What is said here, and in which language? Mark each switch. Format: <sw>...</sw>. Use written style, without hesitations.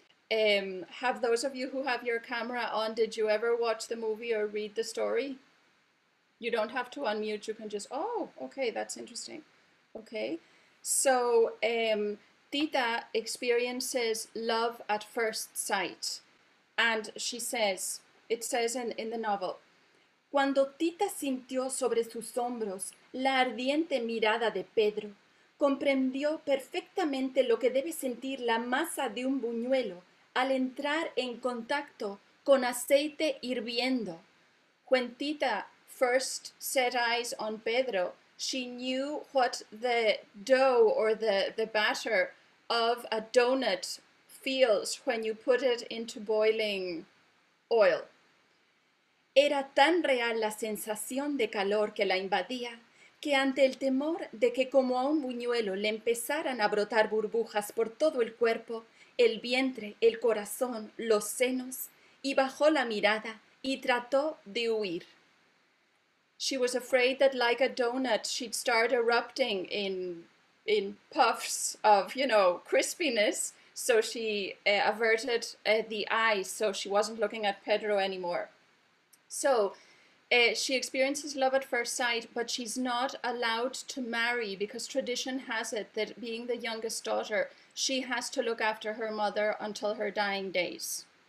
<en>Have those of you who have your camera on, did you ever watch the movie or read the story? You don't have to unmute, you can just, oh, okay, that's interesting. Okay, so Tita experiences love at first sight. And she says, it says in the novel,</en> <es>cuando Tita sintió sobre sus hombros la ardiente mirada de Pedro, comprendió perfectamente lo que debe sentir la masa de un buñuelo al entrar en contacto con aceite hirviendo.</es> <en>When Tita first set eyes on Pedro, she knew what the dough or the batter of a donut feels when you put it into boiling oil.</en> <es>Era tan real la sensación de calor que la invadía que ante el temor de que como a un buñuelo le empezaran a brotar burbujas por todo el cuerpo, el vientre, el corazón, los senos, y bajó la mirada y trató de huir.</es> <en>She was afraid that like a donut she'd start erupting in puffs of, you know, crispiness, so she averted the eyes, so she wasn't looking at Pedro anymore. So she experiences love at first sight, but she's not allowed to marry because tradition has it that being the youngest daughter, she has to look after her mother until her dying days.</en>